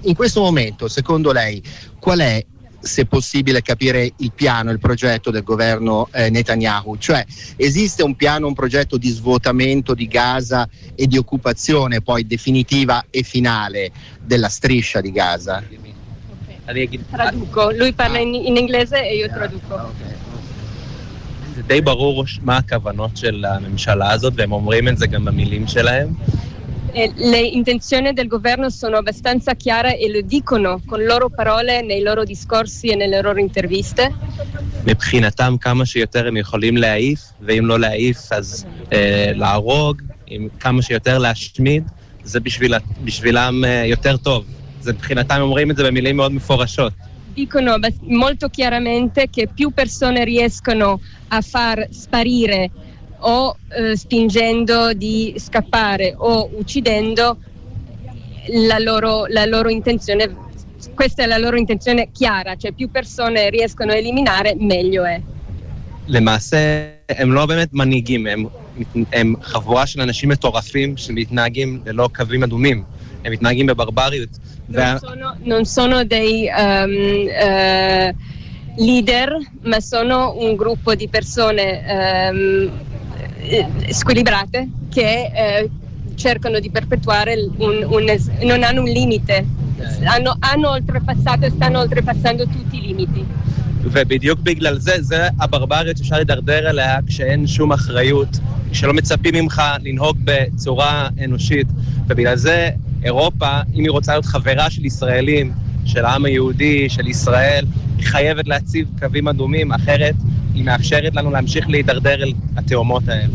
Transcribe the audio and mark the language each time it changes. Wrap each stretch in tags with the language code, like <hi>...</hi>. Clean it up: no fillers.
<it>In questo momento, secondo lei, qual è, se possibile capire, il piano, il progetto del governo Netanyahu? Cioè, esiste un piano, un progetto di svuotamento di Gaza e di occupazione poi definitiva e finale della striscia di Gaza? Traduco, lui parla in inglese e io traduco.</it> <he>די ברור מה הכוונות של הממשלה הזאת, והם אומרים את זה גם במילים שלהם.</he> <it>Le intenzioni del governo sono abbastanza chiare e lo dicono con loro parole nei loro discorsi e nelle loro interviste.</it> <he>מבחינתם כמה שיותר הם יכולים להעיף, ואם לא להעיף אז להרוג, כמה שיותר להשמיד, זה בשבילם יותר טוב. זה מבחינתם אומרים את זה במילים מאוד מפורשות.</he> <it>Dicono molto chiaramente che più persone riescono a far sparire o spingendo di scappare o uccidendo, la loro intenzione, questa è la loro intenzione chiara, cioè più persone riescono a eliminare meglio è. Le masse</it> <he>הם לא באמת מנהיגים, הם חבורה של אנשים מטורפים שמתנהגים ללא קווים אדומים, הם מתנהגים בברבריות.</he> <it>Non sono dei leader, ma sono un gruppo di persone squilibrate che cercano di perpetuare non hanno un limite, hanno oltrepassato e stanno oltrepassando tutti i limiti.</it> <he>ובדיוק בגלל זה הברבריות שאפשר לדרדר אליה כשאין שום אחריות, כשלא מצפים ממך לנהוג בצורה אנושית. ובגלל זה אירופה, אם היא רוצה להיות חברה של ישראלים, של העם היהודי, של ישראל, היא חייבת להציב קווים אדומים, אחרת היא מאפשרת לנו להמשיך להידרדר אל התאומות האלה.</he>